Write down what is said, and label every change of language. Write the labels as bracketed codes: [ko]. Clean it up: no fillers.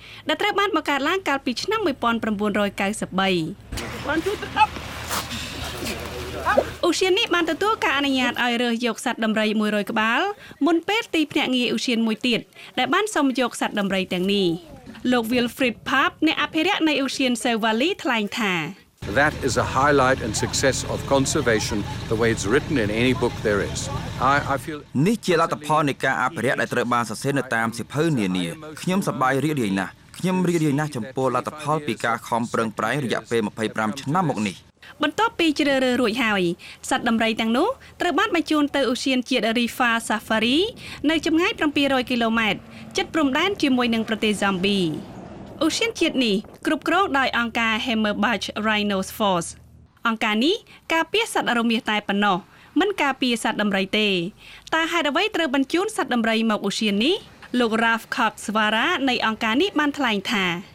[km] ដែលត្រូវបានបង្កើតឡើងកាលពីឆ្នាំ1993ឧស្សាហ៍នេះបានទទួលការអនុញ្ញាតឲ្យរើសយកសត្វដំរី100ក្បាលមុនពេលទីភ្នាក់ងារឧស្សាហ៍មួយទៀតដែលបានសុំយកសត្វដំរីទាំងនេះលោក Wilfried Pap អ្នកអភិរក្សនៃឧស្សាហ៍ Sewali ថ្លែងថា [en] That is a highlight and success of conservation the way it's written in any book there is I feel [km] នេះជាលទ្ធផលនៃការអភិរក្សដែលត្រូវបានសរសេរនៅតាមសៀវភៅនានាខ្ញុំសប្បាយរីករាយណាស់ខ្ញុំរីករាយណាស់ចំពោះលទ្ធផលពីការខំប្រឹងប្រែងរយៈពេល25ឆ្នាំមកនេះ បន្ទាប់ពីជ្រើសរើសរួចហើយសត្វដំរីទាំងនោះត្រូវបានបញ្ជូនទៅឧទ្យានជាតិ Rifa Safari នៅចម្ងាយ700គីឡូម៉ែត្រជិតព្រំដែនជាមួយនឹងប្រទេស Zambia ឧទ្យានជាតិនេះគ្រប់គ្រងដោយអង្គការ Hammerbach Rhinos Force អង្គការនេះការពារសត្វរមាសតែប៉ុណ្ណោះមិនការពារសត្វដំរីទេតើហេតុអ្វីត្រូវបញ្ជូនសត្វដំរីមកឧទ្យាននេះលោក Raf Khak Swara នៃអង្គការនេះបានថ្លែងថា